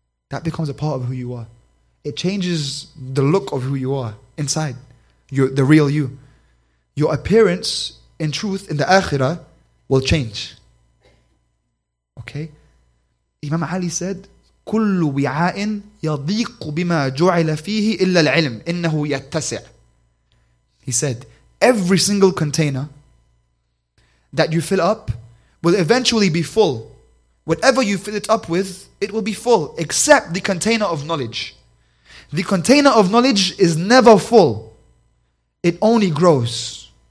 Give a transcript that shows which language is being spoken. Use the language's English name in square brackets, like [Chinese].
[English] That becomes a part of who you are. It changes the look of who you are inside. You're the real you. Your appearance, in truth, in the akhirah, will change. Okay? Imam Ali said, [Arabic] كل وعاء يضيق بما جعل فيه إلا العلم إنه يتسع. [English] He said, every single container that you fill up will eventually be full. Whatever you fill it up with, it will be full, except the container of knowledge. The container of knowledge is never full. It only grows.